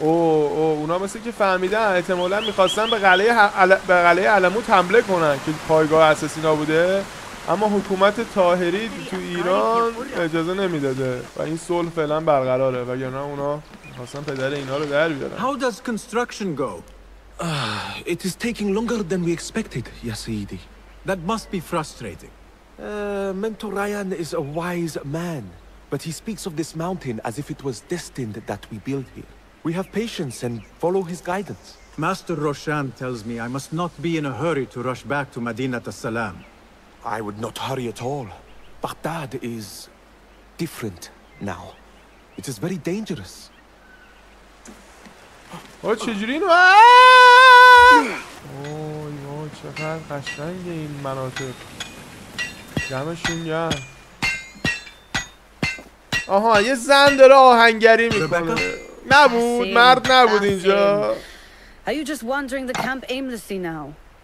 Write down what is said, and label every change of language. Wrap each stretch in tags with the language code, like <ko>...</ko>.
<fa>اوه اونا مثل که فهمیدن احتمالا میخواستن به قلعه علموت حمله کنن که پایگاه اساسی نبوده، اما حکومت طاهری تو ایران اجازه نمیداده و این صلح فعلا برقراره، وگرنه اونا میخواستن پدر اینا رو در بیارن.</fa> <en>How does construction go? It is taking longer than we expected, Yasidi. That must be frustrating. Mentor Ryan is a wise man, but he speaks of this mountain as if it was destined that we build here. We have patience and follow his guidance. Master Roshan tells me I must not be in a hurry to rush back to Madinat as-Salam. I would not hurry at all. Baghdad is different now. It is very dangerous.</en> <fa>آه چجوری اینو آه اوه اوه چقدر قشنگه این مناطق جمعشون گرم. آها یه زن داره آهنگری میکنه. نبود مرد نبود اینجا.</fa> <en>Are you just wandering the camp aimlessly now?</en>